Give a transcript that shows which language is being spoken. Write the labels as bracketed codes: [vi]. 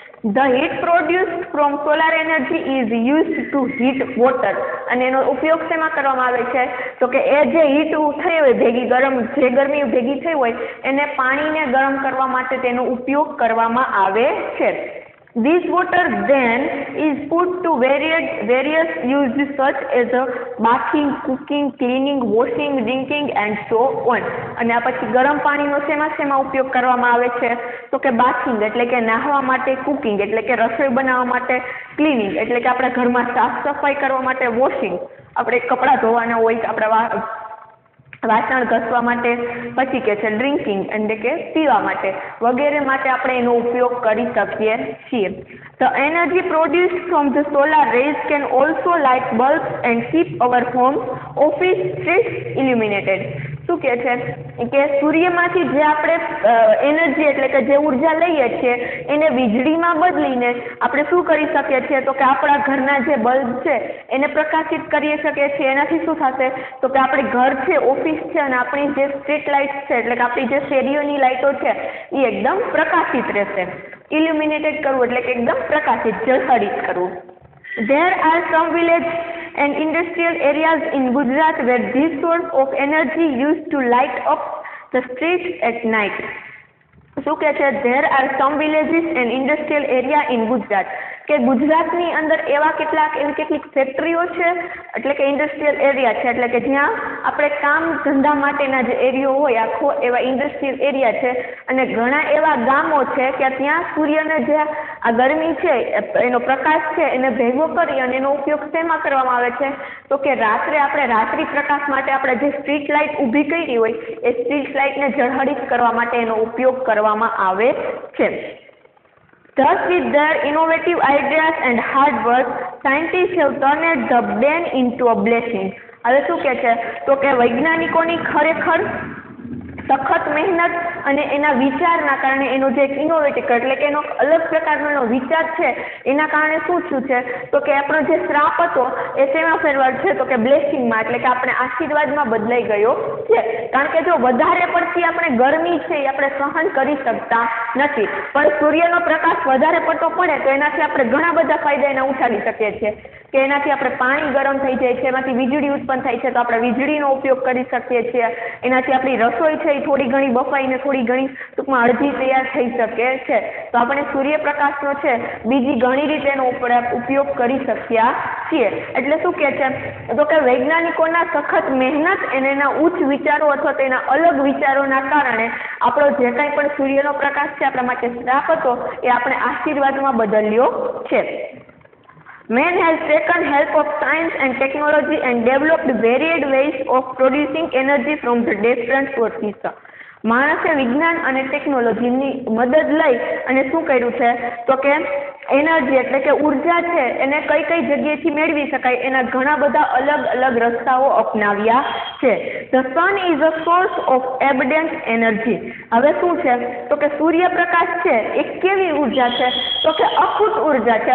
[en] The heat produced from solar energy is use to heat water. [gu] અને એનો ઉપયોગ શેમાં કરવામાં આવે છે? તો કે એ જે હીટ થઈ હોય ભેગી, ગરમ જે ગરમી ભેગી થઈ હોય એને પાણીને ગરમ કરવા માટે તેનો ઉપયોગ કરવામાં આવે છે. [en] This water then is put to various uses such as a bathing, cooking, cleaning, washing, drinking and so on. [gu] અને આ પછી ગરમ પાણીનો શેમાં શેમાં ઉપયોગ કરવામાં આવે છે? તો કે બાથિંગ એટલે કે નાહવા માટે, કુકિંગ એટલે કે રસોઈ બનાવવા માટે, ક્લિનિંગ એટલે કે આપણા ઘરમાં સાફ સફાઈ કરવા માટે, વોશિંગ આપણે કપડાં ધોવાના હોય આપણા વાસણ ઘસવા માટે, પછી કે છે ડ્રિંકિંગ એટલે કે પીવા માટે વગેરે માટે આપણે એનો ઉપયોગ કરી શકીએ છીએ. [en] The energy produce from the solar rays can also light bulb and keep our home office street illuminated. [gu] શું કહે છે કે સૂર્યમાંથી જે આપણે એનર્જી એટલે કે જે ઉર્જા લઈએ છીએ એને વીજળીમાં બદલીને આપણે શું કરી શકીએ છીએ, તો કે આપણા ઘરના જે બલ્બ છે એને પ્રકાશિત કરી શકીએ છીએ. એનાથી શું થશે, તો કે આપણે ઘર છે, ઓફિસ છે અને આપણી જે સ્ટ્રીટ લાઇટ છે એટલે કે આપણી જે શેરીઓની લાઇટો છે એ એકદમ પ્રકાશિત રહેશે. ઇલ્યુમિનેટેડ કરવું એટલે કે એકદમ પ્રકાશિત, ઝળહળિત કરવું. [en] There are some villages and industrial areas in Gujarat where this source of energy used to light up the streets at night. [gu] શું કહે છે, [en] there are some villages and industrial area in Gujarat. [gu] કે ગુજરાતની અંદર એવા કેટલાક એવી કેટલીક ફેક્ટરીઓ છે એટલે કે ઇન્ડસ્ટ્રીયલ એરિયા છે એટલે કે જ્યાં આપણે કામ ધંધા માટેના જે એરિયો હોય આખો એવા ઇન્ડસ્ટ્રીયલ એરિયા છે, અને ઘણા એવા ગામો છે કે ત્યાં સૂર્યને જે આ ગરમી છે એનો પ્રકાશ છે એને ભેગો કરી અને એનો ઉપયોગ શેમાં કરવામાં આવે છે, તો કે રાત્રે આપણે રાત્રિ પ્રકાશ માટે આપણે જે સ્ટ્રીટ લાઇટ ઊભી કરી હોય એ સ્ટ્રીટ લાઇટને ઝળહળિત કરવા માટે એનો ઉપયોગ કરવામાં આવે છે. [en] Thus, with their innovative ideas and hard work, scientists have turned the ban into a blessing. [gu] હવે શું કહે છે, તો કે વૈજ્ઞાનિકોની ખરેખર સખત મહેનત અને એના વિચારના કારણે એનો જે એક ઇનોવેટિવ એટલે કે એનો અલગ પ્રકારનો એનો વિચાર છે એના કારણે શું થયું છે, તો કે આપણો જે શ્રાપ હતો એ તેમાં ફેરવાર છે, તો કે બ્લેસિંગમાં એટલે કે આપણે આશીર્વાદમાં બદલાઈ ગયો છે. કારણ કે જો વધારે પડતી આપણે ગરમી છે એ આપણે સહન કરી શકતા નથી, પણ સૂર્યનો પ્રકાશ વધારે પડતો પડે તો એનાથી આપણે ઘણા બધા ફાયદા એને ઉઠાવી શકીએ છીએ, કે એનાથી આપણે પાણી ગરમ થઈ જાય છે, એમાંથી વીજળી ઉત્પન્ન થાય છે તો આપણે વીજળીનો ઉપયોગ કરી શકીએ છીએ, એનાથી આપણી રસોઈ છે એ થોડી ઘણી બફાઈને થોડી ઘણી ટૂંકમાં અડધી તૈયાર થઈ શકે છે. તો આપણે સૂર્યપ્રકાશનો છે બીજી ઘણી રીતે એનો ઉપયોગ કરી શક્યા છીએ. એટલે શું કહે છે, તો કે વૈજ્ઞાનિકોના સખત મહેનત અને એના ઉચ્ચ વિચારો અથવા તો એના અલગ વિચારોના કારણે આપણો જે કાંઈ પણ સૂર્યનો પ્રકાશ છે આપણા માટે શ્રાપ હતો એ આપણે આશીર્વાદમાં બદલ્યો છે. [en] Man has taken help of science and technology and developed varied ways of producing energy from the different sources. [gu] માણસે વિજ્ઞાન અને ટેકનોલોજીની મદદ લઈ અને શું કર્યું છે, તો કે એનર્જી એટલે કે ઉર્જા છે એને કઈ કઈ જગ્યાએથી મેળવી શકાય એના ઘણા બધા અલગ અલગ રસ્તાઓ અપનાવ્યા છે. [en] The sun is a source of abundant energy. [gu] હવે શું છે, તો કે સૂર્યપ્રકાશ છે એ કેવી ઉર્જા છે, તો કે અખૂટ ઉર્જા છે.